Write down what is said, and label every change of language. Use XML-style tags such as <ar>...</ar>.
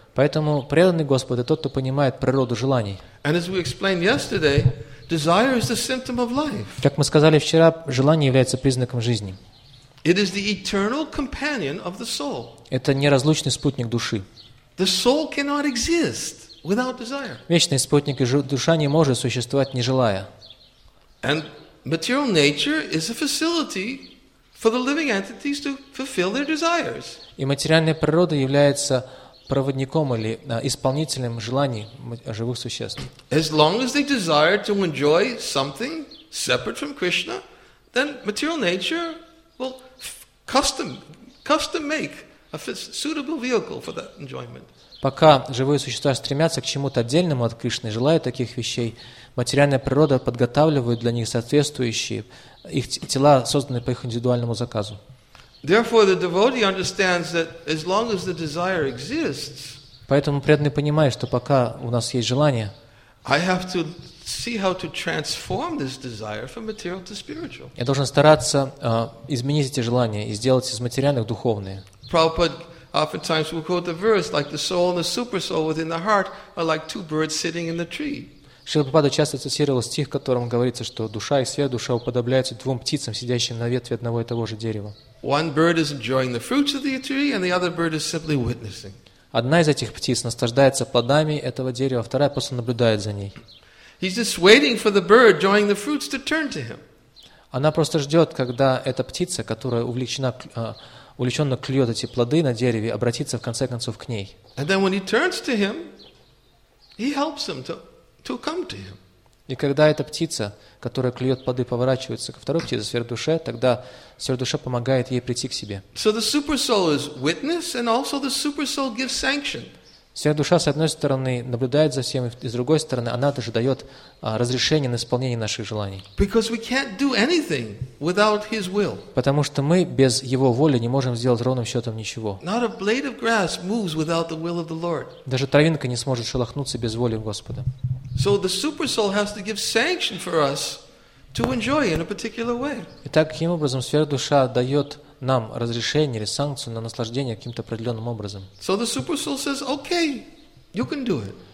<ru>Поэтому преданный Господь — это тот, кто понимает природу желаний.</ru> <en>And as we explained yesterday, desire is the symptom of life.</en> <ru>Как мы сказали вчера, желание является признаком жизни.</ru> <en>It is the eternal companion of the soul.</en> <ru>Это неразлучный спутник души.</ru> <en>The soul cannot exist without desire.</en> <ru>Вечный спутник и душа не может существовать, не желая.</ru> <en>And material nature is a facility for the living entities to fulfill their desires.</en> <ru>И материальная природа является проводником или исполнителем желаний живых существ.</ru> <en>As long as they desire to enjoy something separate from Krishna, then material nature will custom make a suitable vehicle for that enjoyment.</en> <ru>Пока живые существа стремятся к чему-то отдельному от Кришны, желая таких вещей, материальная природа подготавливает для них соответствующие, их тела созданы по их индивидуальному заказу.</ru> <en>Therefore, the devotee understands that as long as the desire exists,</en> <ru>поэтому преданный понимает, что пока у нас есть желание,</ru> <en>I have to see how to transform this desire from material to spiritual.</en> <ru>Я должен стараться изменить эти желания и сделать из материальных духовные.</ru> <en>Oftentimes we quote the verse, like the soul and the super soul within the heart are like two birds sitting in the tree.</en> <ru>Шрила Прабхупада часто цитировал стих, в котором говорится, что душа и сверхдуша уподобляются двум птицам, сидящим на ветве одного и того же дерева.</ru> <en>One bird is enjoying the fruits of the tree, and the other bird is simply witnessing.</en> <ru>Одна из этих птиц наслаждается плодами этого дерева, вторая просто наблюдает за ней.</ru> <en>He's just waiting for the bird enjoying the fruits to turn to him.</en> <ru>Она просто ждет, когда эта птица, которая увлечена увлеченно клюет эти плоды на дереве, обратится в конце концов к ней.</ru> <en>And then when he turns to him, he helps him to come to him.</en> <ru>И когда эта птица, которая клюет плоды, поворачивается ко второй птице, сверхдуше, тогда сверхдуша помогает ей прийти к себе.</ru> <en>So the supersoul is witness, and also the supersoul gives sanction.</en> <ru>Сверхдуша, с одной стороны, наблюдает за всем, и с другой стороны, она даже дает разрешение на исполнение наших желаний.</ru> <en>Because we can't do anything without his will.</en> <ru>Потому что мы без его воли не можем сделать ровным счетом ничего.</ru> <en>Not a blade of grass moves without the will of the Lord.</en> <ru>Даже травинка не сможет шелохнуться без воли Господа.</ru> <en>So the super soul has to give sanction for us to enjoy in a particular way.</en> <ru>Итак, каким образом сверхдуша дает нам разрешение или санкцию на наслаждение каким-то определенным образом?</ru> <en>So the super soul says, "Okay, you can do it."</en>